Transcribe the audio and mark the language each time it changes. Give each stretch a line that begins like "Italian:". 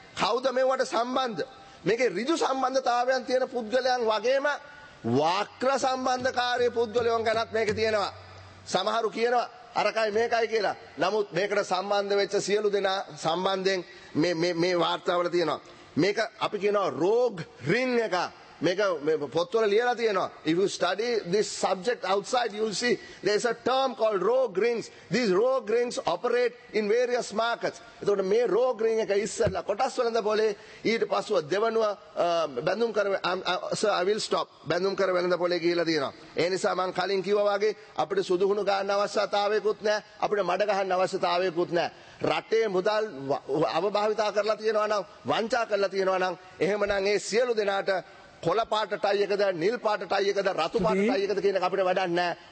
Sinhala: කවුද මේවට සම්බන්ධ? මේකේ ඍජු සම්බන්ධතාවයන් තියෙන පුද්ගලයන් වගේම වාක්‍ර සම්බන්ධකාරී පුද්ගලයන් ගැනත් මේක තියෙනවා. සමහරු කියනවා අරකයි මේකයි කියලා. නමුත් මේකට සම්බන්ධ වෙච්ච සියලු දෙනා සම්බන්ධයෙන් මේ වාර්තාවල තියෙනවා. මේක අපි කියනවා රෝග් රින් එක. මේක මේ පොත්වල ලියලා තියෙනවා.
English: If you study this subject outside you will see there's a term called rogue rings. These rogue rings operate in various markets.
Sinhala: එතකොට මේ රෝග් රින් එක ඉස්සෙල්ලා කොටස් වලඳ පොලේ ඊට පස්සෙ දෙවනුව බැඳුම් කර
English: sir I will stop.
Sinhala: බැඳුම් කර වෙළඳ පොලේ කියලා තියෙනවා. ඒ නිසා මම කලින් කිව්වා වගේ අපිට සුදුහුණු ගන්න අවශ්‍යතාවයකුත් නැහැ. අපිට මඩ ගන්න අවශ්‍යතාවයකුත් නැහැ. රටේ මුදල් අවභාවිතා කරලා තියෙනවා නම් වංචා කරලා තියෙනවා නම් එහෙමනම් ඒ සියලු දෙනාට කොළ පාට ටයි එකද නිල් පාට ටයි එකද රතු පාට ටයි එකද කියන එක අපිට වැඩක් නැහැ.